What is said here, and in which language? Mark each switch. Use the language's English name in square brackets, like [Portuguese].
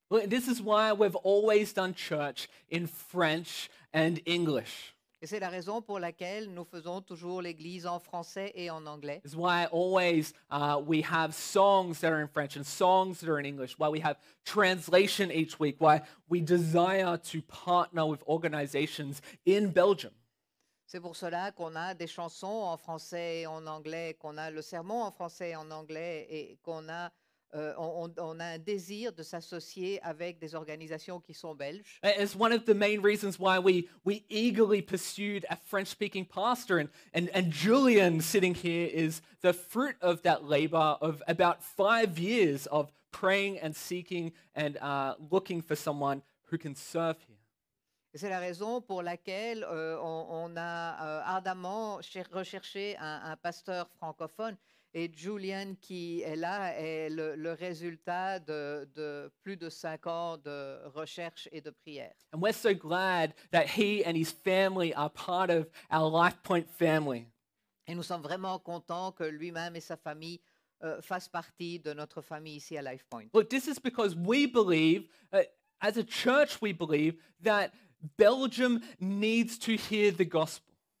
[English] Well, this is why we've always done church in French and English. [French] Et c'est la raison pour laquelle nous faisons toujours l'église en français et en anglais. [English] It's why always we have songs that are in French and songs that are in English. Why we have translation each week. Why we desire to partner with organizations in Belgium. [French] C'est pour cela qu'on a des chansons en français et en anglais, qu'on a le sermon en français et en anglais, et qu'on a on a un désir de s'associer avec des organisations qui sont belges. [English] It's one of the main reasons why we eagerly pursued a French-speaking pastor, and Julian sitting here is the fruit of that labor of about 5 years of praying and seeking and looking for someone who can serve here. [French] C'est la raison pour laquelle on a ardemment recherché un pasteur francophone. Et Julian, qui est là, est le résultat de plus de 5 ans de recherche et de prière. [English] And we're so glad that he and his family are part of our LifePoint family. [French] Et nous sommes vraiment contents que lui-même et sa famille fassent partie de notre famille ici à LifePoint. [English] Look, this is because we believe, as a church, we believe that Belgium needs to hear the gospel.